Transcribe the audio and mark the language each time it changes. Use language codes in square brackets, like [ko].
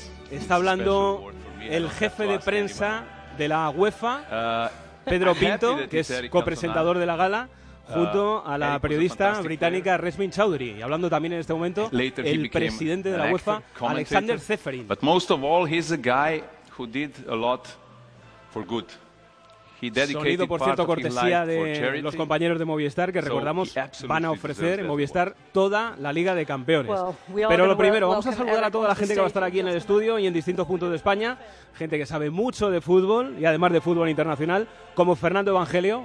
[es] Está hablando el jefe de prensa de la UEFA, Pedro Pinto, que es copresentador de la gala, junto a la periodista británica Resmin Chaudhry, y hablando también en este momento el presidente de la UEFA, Alexander Zeferin. [en] But most of all, he's a guy who did a lot for good. [es] Sonido, por cierto, cortesía de los compañeros de Movistar, que recordamos van a ofrecer en Movistar toda la Liga de Campeones. Pero lo primero, vamos a saludar a toda la gente que va a estar aquí en el estudio y en distintos puntos de España, gente que sabe mucho de fútbol y además de fútbol internacional, como Fernando Evangelio.